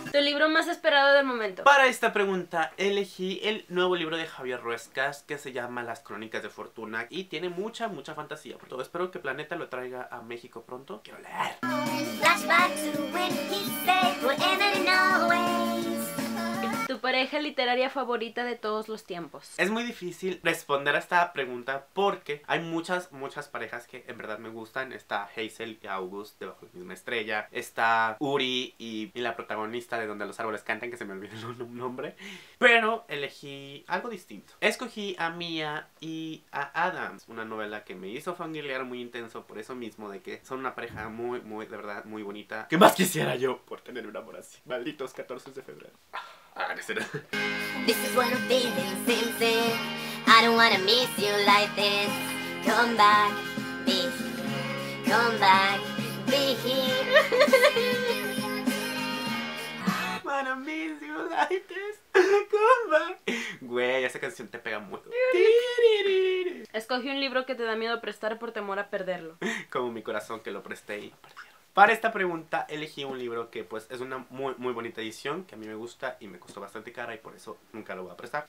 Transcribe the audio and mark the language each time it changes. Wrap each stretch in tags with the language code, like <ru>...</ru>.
<es>Tu libro más esperado del momento. Para esta pregunta elegí el nuevo libro de Javier Ruescas que se llama Las Crónicas de Fortuna y tiene mucha, mucha fantasía. Por todo, espero que Planeta lo traiga a México pronto. Quiero leer.</es> <en>Flashback to when he said, forever and always.</en> <es>Tu pareja literaria favorita de todos los tiempos. Es muy difícil responder a esta pregunta porque hay muchas, muchas parejas que en verdad me gustan. Está Hazel y August de Bajo la Misma Estrella. Está Uri y la protagonista de Donde los Árboles Cantan, que se me olvidó el nombre. Pero elegí algo distinto. Escogí a Mia y a Adams, una novela que me hizo fangirlear muy intenso por eso mismo, de que son una pareja muy, muy, de verdad, muy bonita. ¿Qué más quisiera yo por tener un amor así? Malditos 14 de febrero.</es> <en>This is one of the things, I don't wanna miss you like this. Come back, be here. Come back, be here. Wanna miss you like this. Come back.</en> <es>Güey, esa canción te pega mucho. Escogí un libro que te da miedo prestar por temor a perderlo. Como mi corazón, que lo presté y lo perdí. Para esta pregunta elegí un libro que pues es una muy muy bonita edición, que a mí me gusta y me costó bastante cara y por eso nunca lo voy a prestar.</es>